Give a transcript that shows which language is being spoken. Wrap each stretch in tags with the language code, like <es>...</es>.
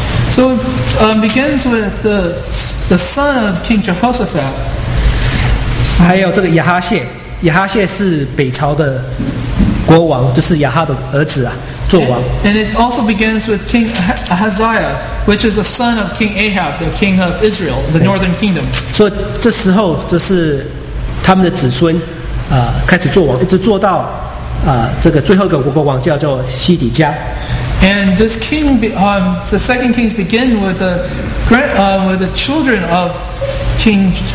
<en>So begins with the son of King Jehoshaphat.</en> <zh>还有这个亚哈谢，亚哈谢是北朝的国王，就是亚哈的儿子啊，做王。</zh> <en>And it also begins with King Ahaziah, which is the son of King Ahab, the king of Israel, the northern kingdom.</en> <zh>所以这时候这是他们的子孙，开始做王，一直做到这个最后一个国王叫做西底家。</zh> <en>And this king, the second kings begin with the with the children of King</en>